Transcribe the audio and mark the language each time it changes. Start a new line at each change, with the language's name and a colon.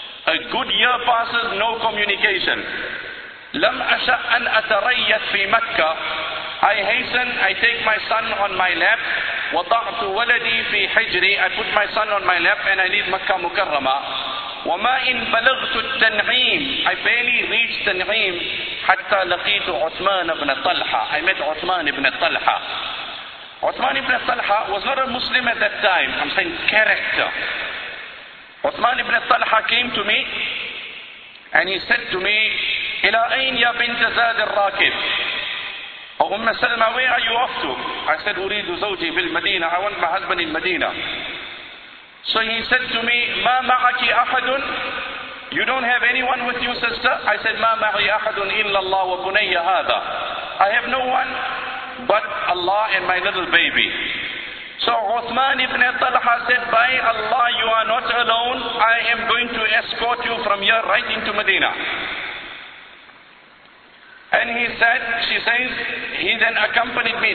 English: A good year passes, no communication.
Arabic: لم أشأ أن أتريث في مكة.
English: I hasten, I take my son on my lap.
Arabic: وضعت ولدي في حجري.
English: I put my son on my lap and I leave Makkah Mukarramah.
Arabic: وما إن بلغت التنعيم.
English: I barely reached Tanim
Arabic: حتى لقيت
English: عثمان بن طلحة. I met عثمان بن طلحة. عثمان بن طلحة was not a Muslim at that time. I'm saying character. عثمان بن طلحة came to me and he said to me,
Arabic: إلى أين يا بنت زاد الراكب؟
English: Umm Salamah, where are you off to? I said,
Arabic: أريد زوجي بالمدينة.
English: I want my husband in Medina. So he said to me,
Arabic: ما معك أحد؟
English: You don't have anyone with you, sister? I said,
Arabic: ما معي أحد إلا الله وبني هذا.
English: I have no one but Allah and my little baby. So Uthman ibn Talha said, by Allah, you are not alone. I am going to escort you from here right into Medina. And he said, she says, he then accompanied me.